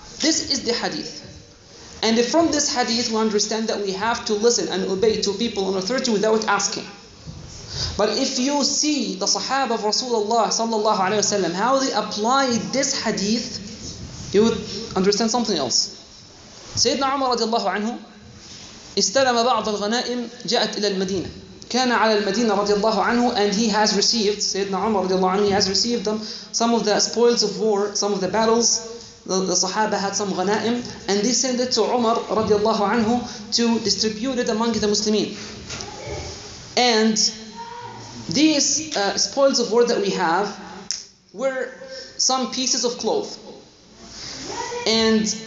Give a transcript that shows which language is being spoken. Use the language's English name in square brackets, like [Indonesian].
[English] This is the hadith. And from this hadith we understand that we have to listen and obey to people on authority without asking. But if you see the Sahaba of Rasulullah sallallahu alayhi wa sallam, how they applied this hadith, you would understand something else. [Arabic] Sayyidina Umar radiallahu anhu, استلم بعض الغنائم جاءت إلى المدينة. كان على المدينة [English] radiallahu anhu, and he has received, Sayyidina Umar radiallahu anhu, he has received them, some of the spoils of war, some of the battles. The Sahaba had some ghanaim, and they sent it to Umar radiallahu anhu to distribute it among the Muslimin. And these spoils of war that we have were some pieces of cloth. And